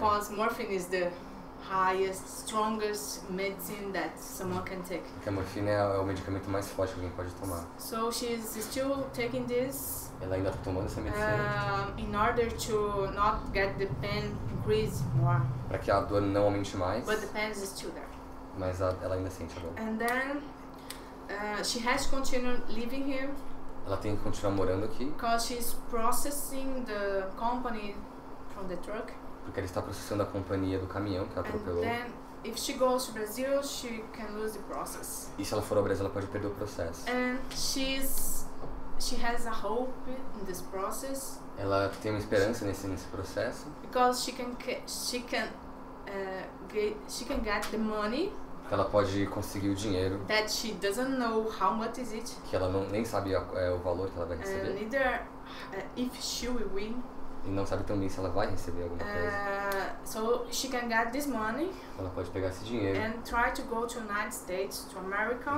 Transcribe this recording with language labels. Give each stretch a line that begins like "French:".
English: Because morphine is the highest, strongest medicine that someone can take.
Portuguese: Porque a morfina é o medicamento mais forte que alguém pode tomar.
English: So she's still taking this.
Portuguese: Ela ainda está tomando essa medicina.
English: In order to not get the pain increase more.
Portuguese: Para que a dor não aumente mais.
English: But the pain is still there.
Portuguese: Mas ela ainda sente a dor.
English: And then she has to continue living here.
Portuguese: Ela tem que continuar morando aqui.
English: Because she's processing the company from the truck.
Portuguese: Porque ela está processando a companhia do caminhão que ela atropelou.
English: And then, if she goes to Brazil, she can lose the process.
Portuguese: E se ela for ao Brasil, ela pode perder o processo.
English: And she has a hope in this process.
Portuguese: Ela tem uma esperança nesse processo.
English: Because she can get the money.
Portuguese: que ela pode conseguir o dinheiro.
English: That she doesn't know how much is it.
Portuguese: Que ela não, nem sabe o valor que ela vai receber.
English: Neither if she will win.
Portuguese: E não sabe também se ela vai receber alguma coisa.
English: So she can get this money.
Portuguese: Ela pode pegar esse dinheiro.
English: And try to go to United States, to America.